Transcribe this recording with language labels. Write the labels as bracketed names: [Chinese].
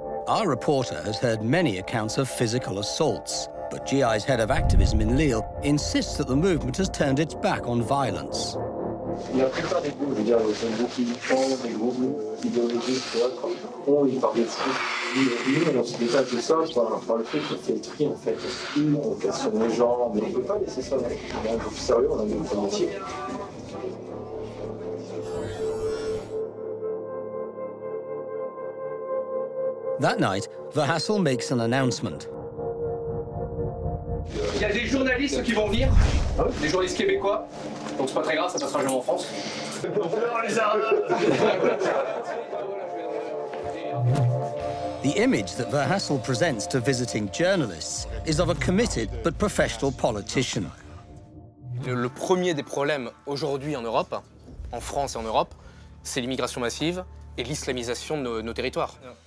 [English] Our reporter has heard many accounts of physical assaults, but GI's head of activism in Lille insists that the movement has turned its back on violence. [French] Il y a la plupart des groupes, je veux dire, c'est un groupe militant, des groupes idéologiques, etc. On y parle de fou. Nous, on se détache de ça par le fait qu'il y a le tri, en fait. On questionne les gens, mais on ne peut pas laisser ça. On a un groupe sérieux, on a un groupe entier. [English] That night, Verhassel makes an announcement. [French] Il y a des journalistes qui vont venir, des journalistes québécois. Donc c'est pas très grave, ça passera jamais en France. Non, les Arabes. [English] The image that Verhassel presents to visiting journalists is of a committed but professional politician. [French] Le premier des problèmes aujourd'hui en Europe, en France et en Europe, c'est l'immigration massive et l'islamisation de nos territoires.